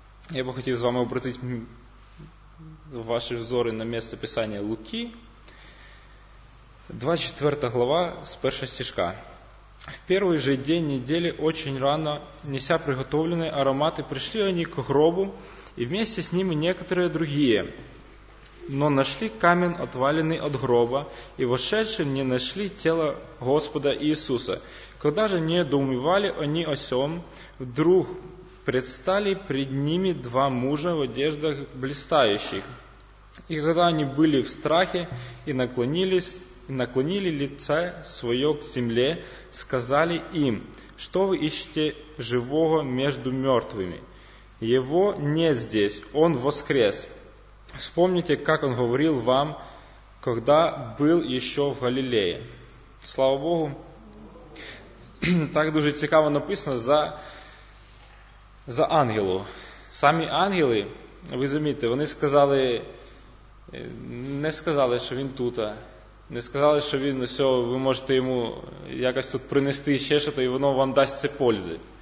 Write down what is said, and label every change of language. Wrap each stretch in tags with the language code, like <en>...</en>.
<uk>Я би хотів з вами обратити ваші взори на місце писання Луки. 24 глава з першого стишка.</uk> <ru>«В перший же день неділі, очень рано, неся приготовлені аромати, прийшли вони к гробу, і вместе з ними некоторые другие. Но нашли камень, отваленный от гроба, и вошедши не нашли тело Господа Иисуса. Когда же не доумывали они о сём, вдруг предстали пред ними два мужа в одеждах блистающих. И когда они были в страхе и наклонились, и наклонили лице своё к земле, сказали им, что вы ищете живого между мёртвыми? Его нет здесь, он воскрес». Вспомните, как он говорил вам, когда был еще в Галилее. Слава Богу.</ru> <uk>Так дуже цікаво написано за ангелу. Самі ангели, ви замітите, вони сказали, не сказали, що він тут, не сказали, що він, все, ви можете йому якось тут принести ще щось, і воно вам дасть це пользи.</uk>